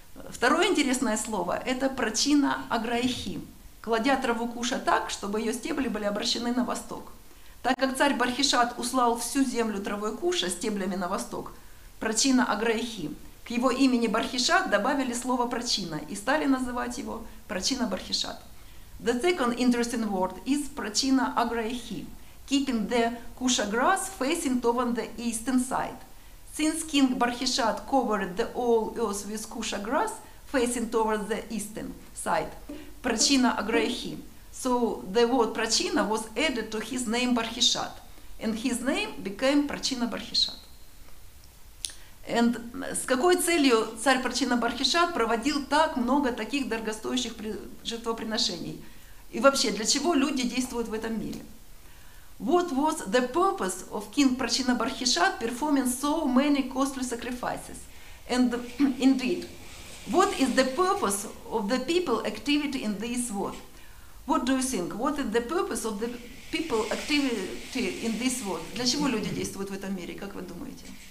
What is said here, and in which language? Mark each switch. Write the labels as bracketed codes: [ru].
[ru] Второе интересное слово – это прачина аграйхи, кладя траву куша так, чтобы ее стебли были обращены на восток. Так как царь Бархишат услал всю землю травой куша стеблями на восток, прачина аграйхи, к его имени Бархишат добавили слово прачина и стали называть его прачина Бархишат. [en] The second interesting word is прачина аграйхи, keeping the kusha grass facing toward the eastern side. Since King Bharkhishat covered the all earth with kusha grass facing towards the eastern side, Prachina Agrahi. So the word Prachina was added to his name Bharkhishat, and his name became Prachina Bharkhishat. [ru] And с какой целью царь Прачина Бархишат проводил так много таких дорогостоящих жертвоприношений? И вообще, для чего люди действуют в этом мире? [en] What was the purpose of King Prachina Bharkhishat performing so many costly sacrifices? And indeed, what is the purpose of the people activity in this world? What do you think? What is the purpose of the people activity in this world? [ru] Для чего люди действуют в этом мире, как вы думаете?